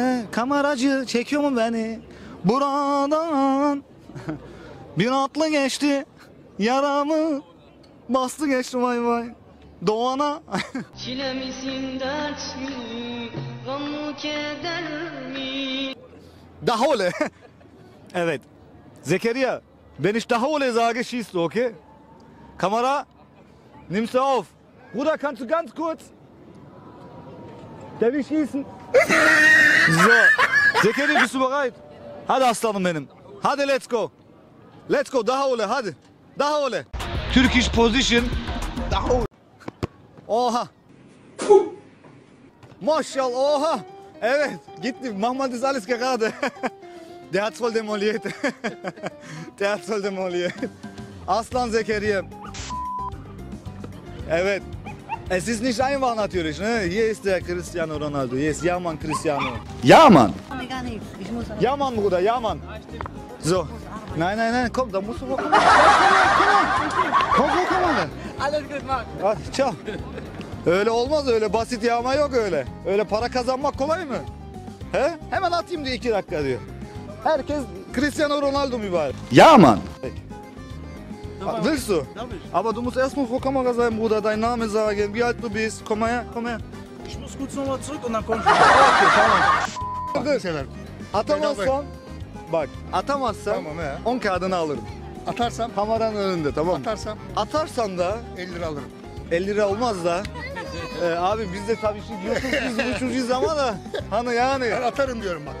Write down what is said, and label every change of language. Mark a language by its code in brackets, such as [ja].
[tr] Kameracı çekiyor mu beni? Buradan bir atlı geçti. Yaramı bastı geçti vay vay. Doğana. Çile misin dert mi? Gam mı keder mi? Dahole. Evet. [de] Zekeriya, wenn ich Dahole sage, schießt du, okay? Kamera, nimmst du auf. Bruder, kannst du ganz kurz? Der will schießen. So. Zekeriya, bist du bereit? [tr] Hadi aslanım benim. Hadi, [en] let's go. Let's go, [tr] Dahole, hadi. Dahole. [en] Turkish position. [tr] Dahole. Oha. Maşallah, oha. Evet, gitti. [de] Mahmut ist alles gerade. Der hat's voll demoliert. Der hat's voll demoliert. [tr] Aslan Zekeriya. Evet. [de] Es ist nicht einfach natürlich, ne? Hier ist der Cristiano Ronaldo. Hier ist Yaman Cristiano. Yaman? Yaman, Bruder, Yaman. So. Nein, nein, nein, komm, da musst du mal kommen. Komm, komm, komm, Alter. Alles gut, Mark. [it] Ah, ciao. [tr] Öyle olmaz, öyle basit yağma yok öyle. Öyle para kazanmak kolay mı? He? Hemen atayım diyor, 2 dakika diyor. Herkes Cristiano Ronaldo mübarek. Yağman. Tamam. [de] Willst du? Aber du musst erstmal vor Kamera sein, Bruder, dein Name sagen, wie alt du bist. Komm her, komm her. Ich muss kurz nochmal zurück und dann komm ich. [tr] Okay, tamam. Atamazsan, bak, atamazsan 10 kağıdını alırım. Atarsam? Kameranın önünde, tamam mı? Atarsam? Atarsan da 50 lira alırım. 50 lira olmaz da. Abi biz de tabii şimdi yokuz biz uçucuyuz ama da hani yani. Ben atarım diyorum bak.